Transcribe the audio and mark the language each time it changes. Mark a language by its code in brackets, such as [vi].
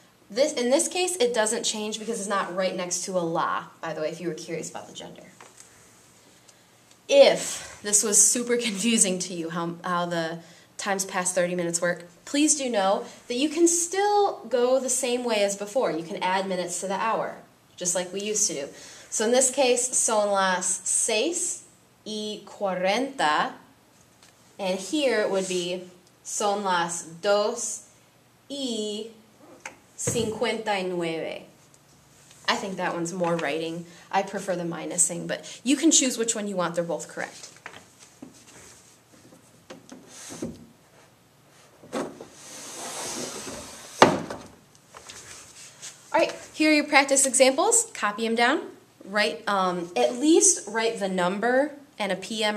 [en] This, in this case, it doesn't change because it's not right next to a la, by the way, if you were curious about the gender. If this was super confusing to you, how the times past 30 minutes work, please do know that you can still go the same way as before. You can add minutes to the hour, just like we used to do. So in this case, [es] son las seis y cuarenta, [en] and here it would be [es] son las dos y cincuenta y nueve. [en] I think that one's more writing. I prefer the minusing, but you can choose which one you want. They're both correct. Here are your practice examples. Copy them down. Write, at least write the number and a p.m.